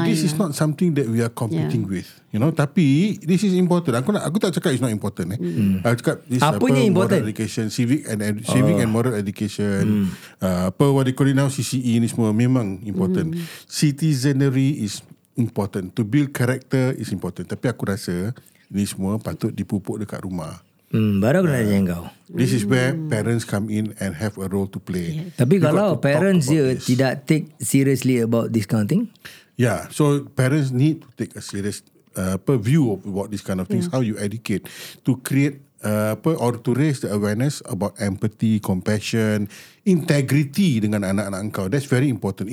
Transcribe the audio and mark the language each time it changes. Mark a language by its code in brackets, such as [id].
[en] And this is not something that we are competing with. You know, [ms] tapi [en] this is important. [ms] Aku tak cakap [en] it's not important. [ms] Aku cakap [en] this [ms] apa [en] moral education, civic and moral education. [ms] Apa [en] what they call it now, CCE [ms] ni semua memang [en] important. Citizenry is important. To build character is important. [ms] Tapi aku rasa ini semua patut dipupuk dekat rumah. Baru aku nak tanya kau. [en] This is where parents come in and have a role to play. Yeah. [ms] Tapi [en] you [ms] kalau [en] parents [ms] dia tidak [en] take seriously about this kind of thing? Yeah, so parents need to take a serious view of what this kind of things, how you educate to create or to raise the awareness about empathy, compassion, integrity [ms] dengan anak-anak kau. [en] That's very important.